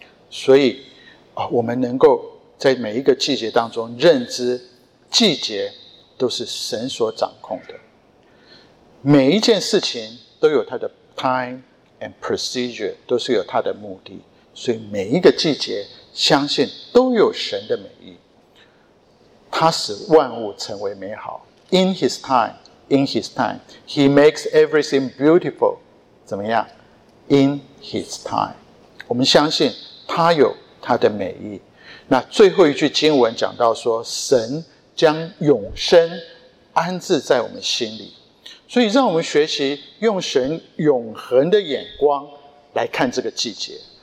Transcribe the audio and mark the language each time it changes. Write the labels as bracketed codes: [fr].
[zh] 所以啊，我们能够在每一个季节当中认知季节都是神所掌控的，每一件事情都有它的 [en] time and procedure， [zh] 都是有它的目的，所以每一个季节相信都有神的美意，他使万物成为美好。 [en] In his time He makes everything beautiful， [zh] 怎么样？ [en] In his time， [zh] 我们相信他有他的美意。那最后一句经文讲到说，神将永生安置在我们心里，所以让我们学习用神永恒的眼光来看这个季节。